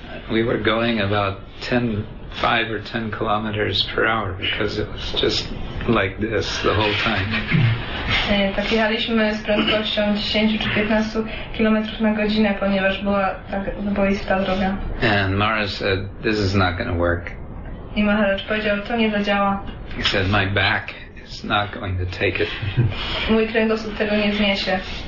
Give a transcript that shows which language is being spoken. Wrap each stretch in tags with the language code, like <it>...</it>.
<en>We were going about 5 or 10 kilometers per hour because it was just like this the whole time.</en> <pl>Tak jechaliśmy z prędkością 10 czy 15 kilometrów na godzinę, ponieważ była tak wyboista droga.</pl> <en>And Mara said, this is not going to work.</en> <pl>I Maharaj powiedział, to nie zadziała.</pl> <en>He said, my back is not going to take it.</en> <pl>Mój kręgosłup tego nie zniesie.</pl>